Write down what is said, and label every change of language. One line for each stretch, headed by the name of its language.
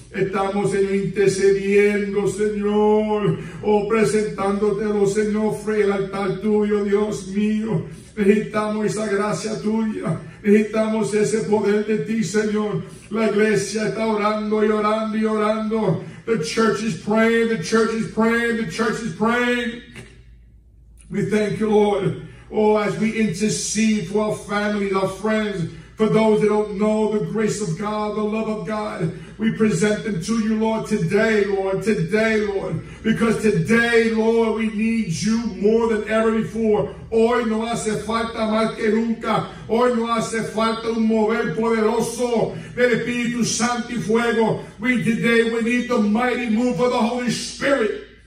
Spanish: Estamos en intercediendo, Señor, presentándotelo, Señor, frente al altar tuyo, Dios mío. Necesitamos esa gracia tuya, necesitamos ese poder de ti, Señor. La iglesia está orando y orando y orando.
English: The church is praying, the church is praying, the church is praying. We thank you, Lord. Oh, as we intercede for our families, our friends, For those that don't know the grace of God, the love of God, we present them to you, Lord, today, Lord, today, Lord. Because today, Lord, we need you more than ever before.
Spanish: Hoy no hace falta más que nunca. Hoy no hace falta un mover poderoso del Espíritu Santo y fuego.
English: We today, we need the mighty move of the Holy Spirit.